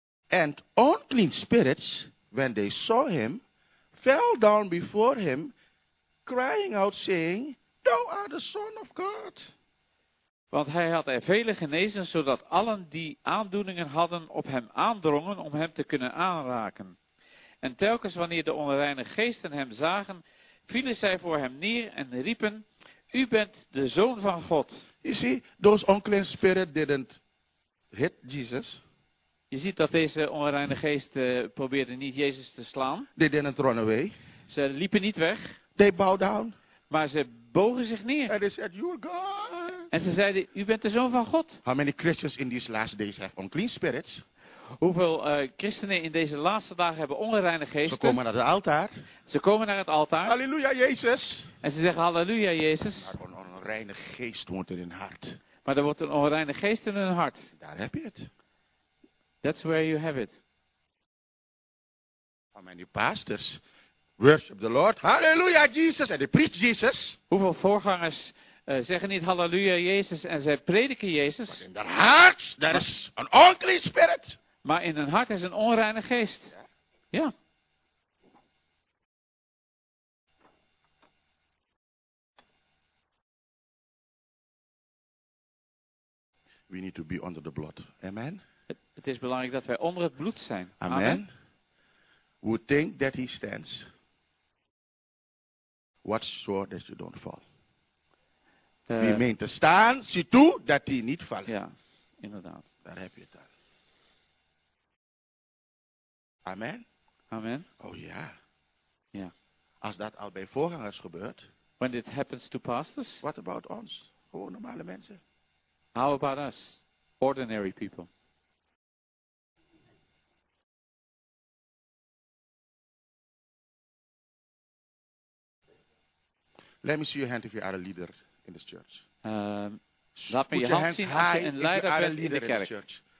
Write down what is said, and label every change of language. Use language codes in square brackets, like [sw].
[en] And unclean spirits, when they saw him, fell down before him, crying out, saying, Thou art the Son of God. [nl] Want hij had er vele genezen, zodat allen die aandoeningen hadden op hem aandrongen om hem te kunnen aanraken. En telkens wanneer de onreine geesten hem zagen, vielen zij voor hem neer en riepen, U bent de Zoon van God. [en] You see, those unclean spirits didn't hit Jesus. [nl] Je ziet dat deze onreine geesten probeerden niet Jezus te slaan. [en] They didn't run away. [nl] Ze liepen niet weg. [en] They bowed down. [nl] Maar ze bogen zich neer. [en] And they said, "You're God." [nl] En ze zeiden, u bent de Zoon van God. [en] How many Christians in these last days have unclean spirits? [nl] Hoeveel christenen in deze laatste dagen hebben onreine geesten? Ze komen naar het altaar. Ze komen naar het altaar. Halleluja, Jezus. En ze zeggen, halleluja, Jezus. Maar een onreine geest wordt in hun hart. Maar er wordt een onreine geest in hun hart. Daar heb je het. [en] That's where you have it. How many pastors worship the Lord? Halleluja, Jesus. And they preach Jesus. [nl] Hoeveel voorgangers zeggen niet halleluja, Jezus, en zij prediken Jezus. [en] But in their hearts, there is an unclean spirit. [nl] Maar in hun hart is een onreine geest. Ja. [en] We need to be under the blood. Amen. [nl] Het is belangrijk dat wij onder het bloed zijn. Amen. Amen. [en] Who think that he stands, watch so that you don't fall. [nl] Wie meent te staan, zie toe dat hij niet valt. Ja, inderdaad. Daar heb je het aan. Amen. Amen. Oh ja. Ja. Als dat al bij voorgangers gebeurt. [en] When it happens to pastors. What about us? [nl] Gewoon normale mensen. [en] How about us? Ordinary people. Let me see your hand if you are a leader in this church. [nl] Laat me je hand zien als je een leider bent in de kerk.